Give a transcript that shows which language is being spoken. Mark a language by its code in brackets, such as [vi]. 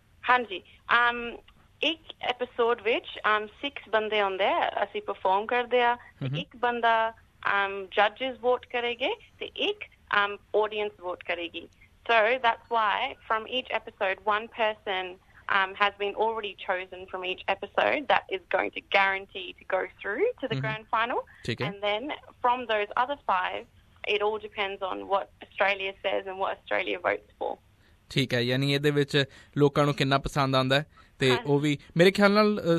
[pa] ਹਾਂਜੀ, ਇੱਕ ਐਪੀਸੋਡ ਵਿੱਚ 6 ਬੰਦੇ ਆਉਂਦੇ ਆ, ਅਸੀਂ ਪਰਫਾਰਮ ਕਰਦੇ ਆ, ਇੱਕ ਬੰਦਾ ਜੱਜਸ ਵੋਟ ਕਰੇਗੇ ਤੇ ਇੱਕ ਆਡੀਅੰਸ ਵੋਟ ਕਰੇਗੀ, [en] So that's why from each episode 1 person has been already chosen from each episode that is going to guarantee to go through to the grand final. Okay. And then from those other 5, it all depends on what Australia says and what Australia votes for. [pa] ਠੀਕ ਹੈ, ਯਾਨੀ ਇਹਦੇ ਵਿੱਚ ਲੋਕਾਂ ਨੂੰ ਕਿੰਨਾ ਪਸੰਦ ਆਉਂਦਾ ਤੇ ਉਹ ਵੀ ਮੇਰੇ ਖਿਆਲ ਨਾਲ।